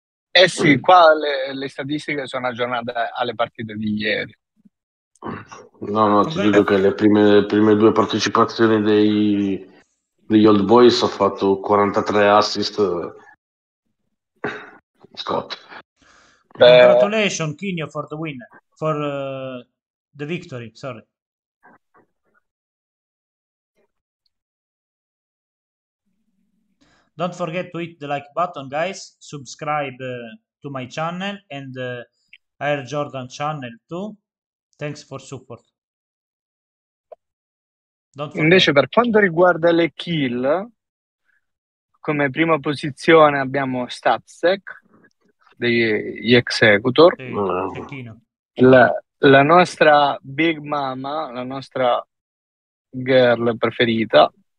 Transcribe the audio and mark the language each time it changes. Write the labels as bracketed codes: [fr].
[it] Eh sì, qua le statistiche sono aggiornate alle partite di ieri. No, ti dico che le prime due partecipazioni degli Old Boys ho fatto 43 assist. Scott. [en] Congratulations, Kenya, for the win, for the victory, sorry. Don't forget to hit the like button, guys. Subscribe to my channel and Air Jordan channel too. Thanks for support. Don't [it] Invece, [en] forget. [it] per quanto riguarda le kill, come prima posizione abbiamo StatSec degli Executor. Sì, cecchino. La nostra Big Mama, la nostra girl preferita.